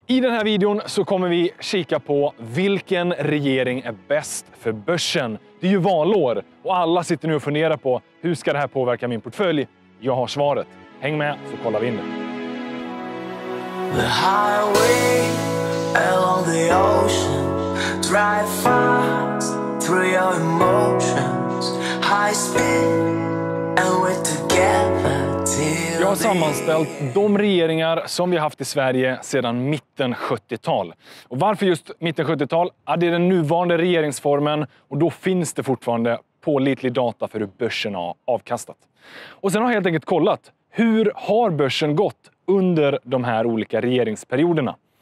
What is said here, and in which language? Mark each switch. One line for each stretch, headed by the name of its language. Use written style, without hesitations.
Swedish: I den här videon så kommer vi kika på vilken regering är bäst för börsen. Det är ju valår och alla sitter nu och funderar på hur ska det här påverka min portfölj? Jag har svaret. Häng med så kollar vi in det.
English: The highway along the ocean, drive fast through your emotions, high speed and we're together.
Swedish: Jag har sammanställt de regeringar som vi har haft i Sverige sedan mitten 70-tal. Och varför just mitten 70-tal? Ja, det är den nuvarande regeringsformen och då finns det fortfarande pålitlig data för hur börsen har avkastat. Och sen har jag helt enkelt kollat hur har börsen gått under de här olika regeringsperioderna.